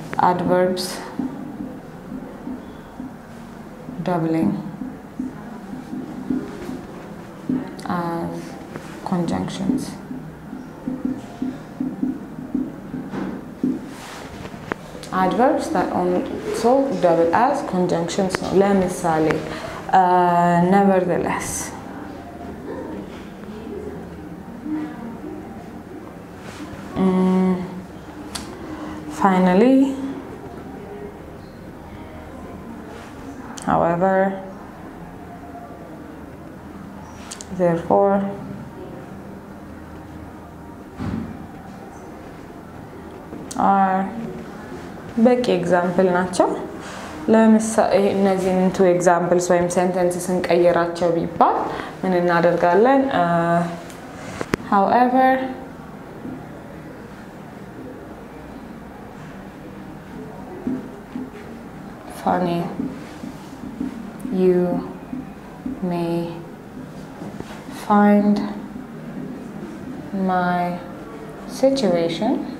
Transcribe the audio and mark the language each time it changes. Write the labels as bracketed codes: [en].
[en] Adverbs doubling as conjunctions. Adverbs that also double as conjunctions. ለምሳሌ nevertheless finally however therefore [am] are በቂ ኤግዛምፕል ናቸው። ለምሳሌ እነዚህን ቱ ኤግዛምፕልስ ወይም ሴንተንስስ እንቀየራቸው ቢባል ምን እናደርጋለን? [en] however funny you may find my situation